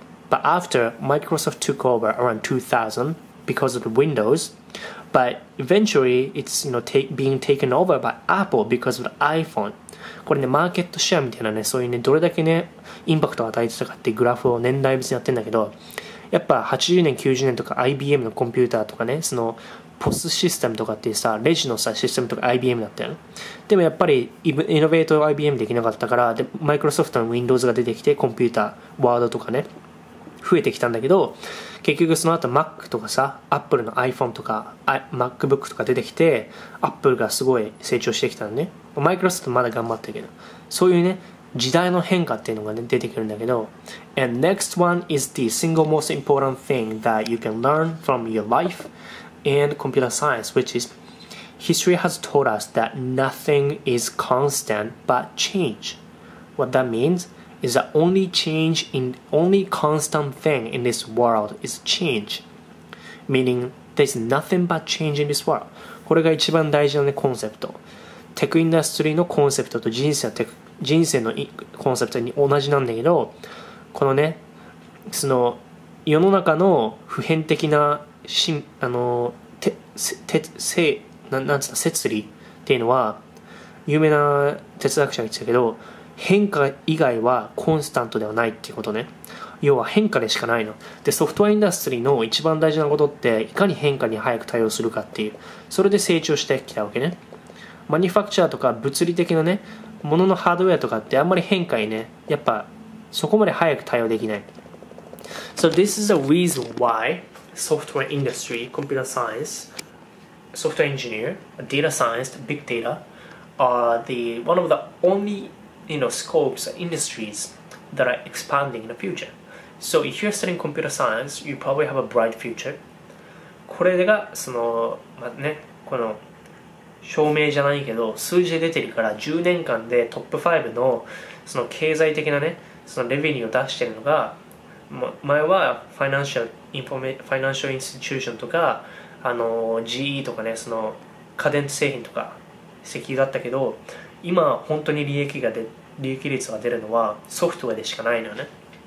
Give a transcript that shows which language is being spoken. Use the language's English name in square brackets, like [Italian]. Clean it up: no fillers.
[English] But after, Microsoft took over around 2000 because of the Windows. But eventually, it's you know, being taken over by Apple because of the iPhone. [Japanese] これね、マーケットシェアみたいなね、そういうね、どれだけね、インパクトを与えてたかっていうグラフを年代別にやってんだけど、やっぱ80年、90年とか IBM のコンピューターとかね、その POS システムとかっていうさ、レジのさ、システムとか IBM だったよね。でもやっぱり、イノベート IBM できなかったから、で、Microsoft の Windows が出てきて、コンピューター、Word とかね、増えてきたんだけど、結局その後 Mac とかさ、Apple の iPhone とか MacBook とか出てきて、Apple がすごい成長してきたのね。 Microsoft まだ頑張ってるけど、そういうね、時代の変化っていうのがね、出てくるんだけど。 [English] And next one is the single most important thing that you can learn from your life and computer science, which is history has taught us that nothing is constant but change. What that meansIs the only change in only constant thing in this world is change, meaning there's nothing but change in this world. [Japanese] これが一番大事なねコンセプト。テクインダストリーのコンセプトと人生のコンセプトに同じなんだけど、このね、その世の中の普遍的な新あのてせなんつった摂理っていうのは有名な哲学者が言ってたけど。変化以外はコンスタントではないっていうことね。要は変化でしかないの。で、ソフトウェアインダストリーの一番大事なことって、いかに変化に早く対応するかっていう。それで成長してきたわけね。マニファクチャーとか物理的なね、もののハードウェアとかってあんまり変化にね、やっぱそこまで早く対応できない。 [English] So this is the reason why software industry, computer science, software engineer, data science, big data are the one of the onlyYou know, scopes and industries that are expanding in the future. So if you're studying computer science, you probably have a bright future. [Japanese] これがその、まあね、この証明じゃないけど、数字で出てるから10年間でトップ5のその経済的なね、そのレベニューを出してるのが、前はファイナンシャルインスティチューションとか、GE とかね、その家電製品とか石油だったけど、今本当に利益率が出るのはソフトウェアでしかないのよね。